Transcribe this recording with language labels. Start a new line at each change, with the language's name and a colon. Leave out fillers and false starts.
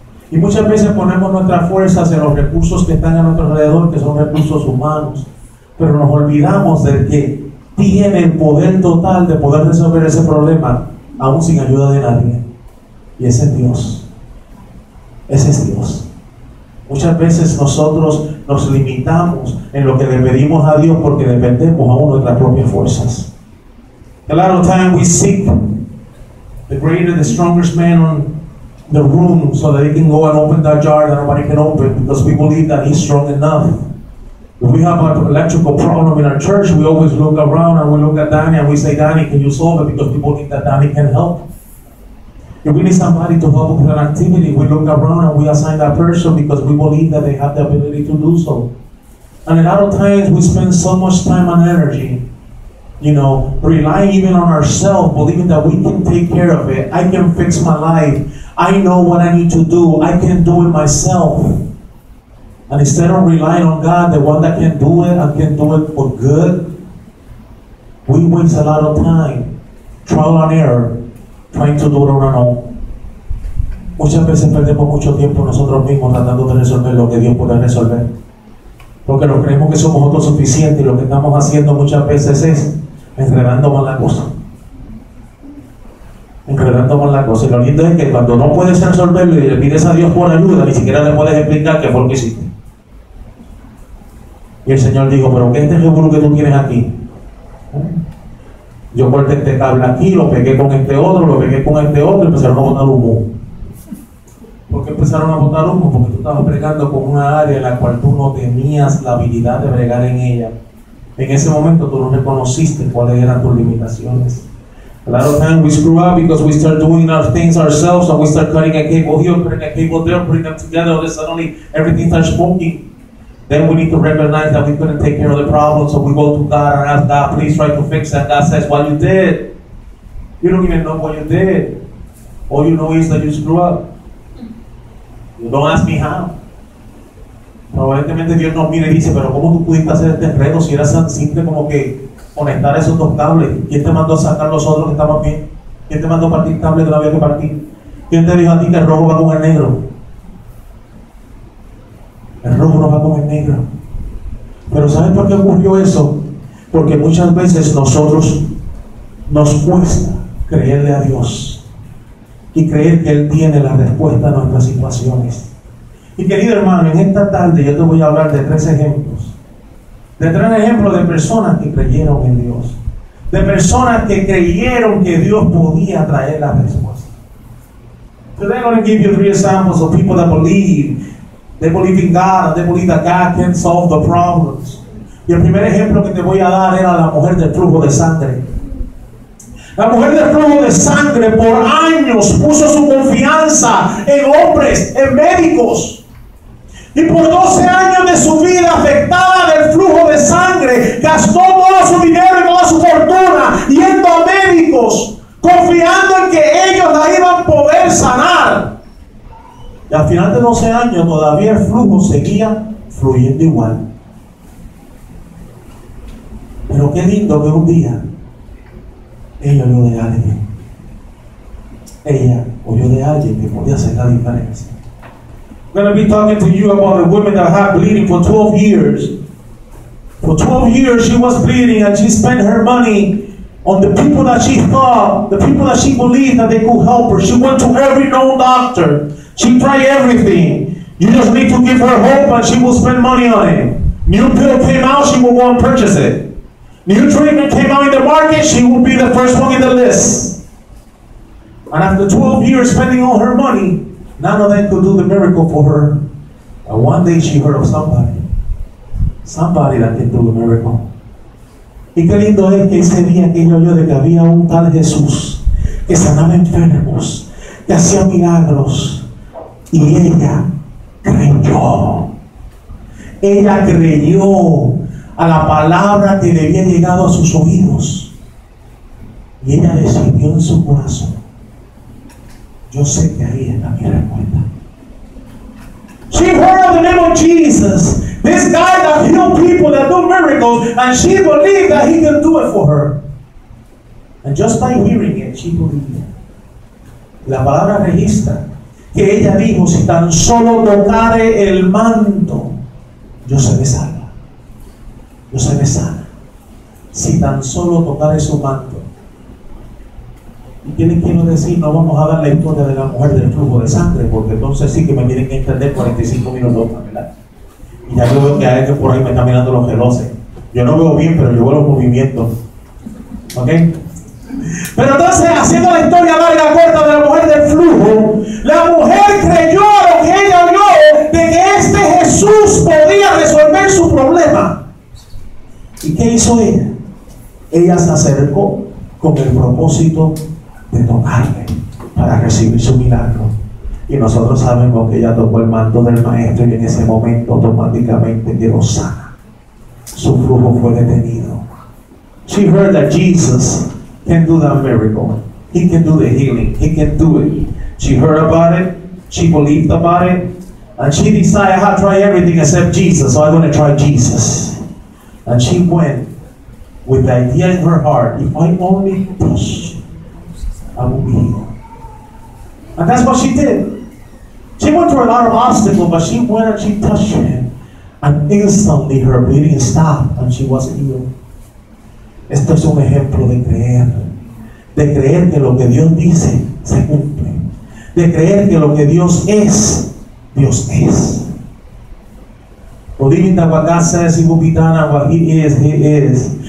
Spanish: Y muchas veces ponemos nuestras fuerzas en los recursos que están a nuestro alrededor, que son recursos humanos, pero nos olvidamos del que tiene el poder total de poder resolver ese problema aún sin ayuda de nadie. Y ese es Dios. Ese es Dios. Muchas muchas veces nosotros nos limitamos en lo que le pedimos a Dios porque dependemos aún de nuestras propias fuerzas.
English: A lot of time we seek the greater, the strongest man on the room so that he can go and open that jar that nobody can open because we believe that he's strong enough. If we have an electrical problem in our church, we always look around and we look at Danny and we say, Danny, can you solve it? Because people think that Danny can help. If we need somebody to help with an activity, we look around and we assign that person because we believe that they have the ability to do so. And a lot of times we spend so much time and energy, you know, relying even on ourselves, believing that we can take care of it. I can fix my life. I know what I need to do. I can do it myself. And instead of relying on God, the one that can do it and can do it for good, we waste a lot of time, trial and error, trying to do it on our own.
Spanish: Muchas veces perdemos mucho tiempo nosotros mismos tratando de resolver lo que Dios puede resolver. Porque nos creemos que somos autosuficientes y lo que estamos haciendo muchas veces es enredando mal la cosa. Y lo lindo es que cuando no puedes resolverlo y le pides a Dios por ayuda, ni siquiera le puedes explicar qué fue lo que hiciste. Y el Señor dijo, pero ¿qué es este seguro que tú tienes aquí? Yo corté este cable aquí, lo pegué con este otro y empezaron a botar humo. ¿Por qué empezaron a botar humo? Porque tú estabas bregando con una área en la cual tú no tenías la habilidad de bregar en ella. En ese momento tú no reconociste cuáles eran tus limitaciones.
English: A lot of times we screw up because we start doing our things ourselves and we start cutting a cable here, putting a cable there, putting them together, and then suddenly everything starts smoking. Then we need to recognize that we couldn't take care of the problem, so we go to God and ask God, please try to fix it. And God says, well, you did. You don't even know what you did. All you know is that you screw up. You don't ask me how.
Spanish: Probablemente Dios nos mira y dice, pero ¿cómo tú pudiste hacer este enredo si era tan simple como que conectar esos dos cables? ¿Quién te mandó a sacar los otros que estaban bien? ¿Quién te mandó a partir cables de la vez que partí? ¿Quién te dijo a ti que el rojo va con el negro? El rojo no va con el negro. Pero ¿sabes por qué ocurrió eso? Porque muchas veces nosotros nos cuesta creerle a Dios y creer que Él tiene la respuesta a nuestras situaciones. Y querido hermano, en esta tarde yo te voy a hablar de tres ejemplos. De tres ejemplos de personas que creyeron en Dios. De personas que creyeron que Dios podía traer la respuesta.
English: Today I'm going to give you three examples of people that believe. They believe in God. They believe that God can solve the problems.
Spanish: Y el primer ejemplo que te voy a dar era la mujer del flujo de sangre. La mujer del flujo de sangre por años puso su confianza en hombres, en médicos. Y por 12 años de su vida afectada del flujo de sangre, gastó todo su dinero y toda su fortuna yendo a médicos, confiando en que ellos la iban a poder sanar. Y al final de 12 años todavía el flujo seguía fluyendo igual. Pero qué lindo que un día ella oyó de alguien. Ella oyó de alguien que podía hacer la diferencia.
English: I'm going to be talking to you about a woman that had bleeding for 12 years. For 12 years she was bleeding and she spent her money on the people that she thought, the people that she believed that they could help her. She went to every known doctor. She tried everything. You just need to give her hope and she will spend money on it. New pill came out, she will go and purchase it. New treatment came out in the market, she would be the first one in the list. And after 12 years spending all her money, none of them could do the miracle for her. And one day she heard of somebody. Somebody that can do the miracle.
Spanish: Y qué lindo es que ese día que ella oyó de que había un tal Jesús que sanaba enfermos, que hacía milagros, y ella creyó. Ella creyó a la palabra que le había llegado a sus oídos. Y ella decidió en su corazón, yo sé que ahí está mi respuesta.
English: She heard of the name of Jesus, this guy that healed people, that do miracles, and she believed that he can do it for her. And just by hearing it, she believed.
Spanish: La palabra registra que ella dijo, si tan solo tocare el manto, yo seré salva. Yo seré sana si tan solo tocare su manto. ¿Y qué les quiero decir? No vamos a dar la historia de la mujer del flujo de sangre, porque entonces sí que me tienen que entender 45 minutos, ¿verdad? Y ya yo veo que a ellos por ahí me están mirando los geloses. Yo no veo bien, pero yo veo los movimientos. ¿Ok? Pero entonces, haciendo la historia larga corta de la mujer del flujo, la mujer creyó a lo que ella vio, de que este Jesús podía resolver su problema. ¿Y qué hizo ella? Ella se acercó con el propósito de tocarle para recibir su milagro. Y nosotros sabemos que ella tocó el manto del maestro y en ese momento automáticamente quedó sana. Su flujo fue detenido.
English: She heard that Jesus can do that miracle. He can do the healing. He can do it. She heard about it. She believed about it. And she decided, I'll try everything except Jesus. So I'm going to try Jesus. And she went with the idea in her heart, if I only touch, I will be healed. And that's what she did. She went through a lot of obstacles, but she went and she touched him. And instantly her bleeding stopped and she was healed.
Spanish: Esto es un ejemplo de creer. De creer que lo que Dios dice se cumple. De creer que lo que Dios es, Dios es.
English: Believing that what God says, He will be done, and what He is, He is.